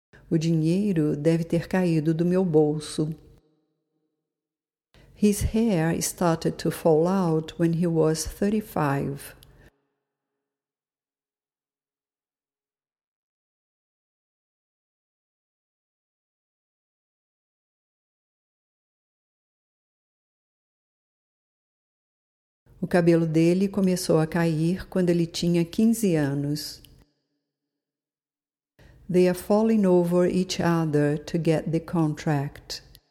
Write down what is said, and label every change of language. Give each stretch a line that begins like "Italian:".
Portuguese: O dinheiro deve ter caído do meu bolso.
English: His hair started to fall out when he was 35.
Portuguese: O cabelo dele começou a cair quando ele tinha 15 anos.
English: They are falling over each other to get the contract.